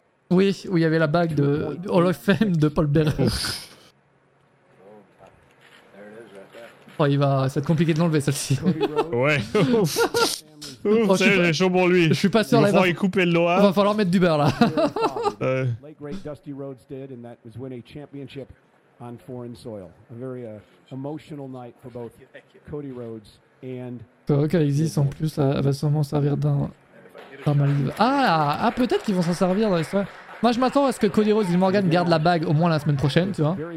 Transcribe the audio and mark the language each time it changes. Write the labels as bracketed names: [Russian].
[French] Oui, où il y avait la bague de Hall of Fame de Paul Bearer. Oh, ça va être compliqué de l'enlever, celle-ci. Ouais. Ouf, c'est chaud pour lui. Je suis pas sûr. Il va couper le doigt. Il va falloir mettre du beurre, là. [English] Like great Dusty Rhodes did, and that was win a championship on foreign soil. A very emotional night for both Cody Rhodes and... [French] Calixis en plus va sûrement servir d'un malive. Ah, peut-être qu'ils vont s'en servir. Moi je m'attends à ce que Cody Rhodes et Morgan gardent la bague au moins la semaine prochaine, tu vois.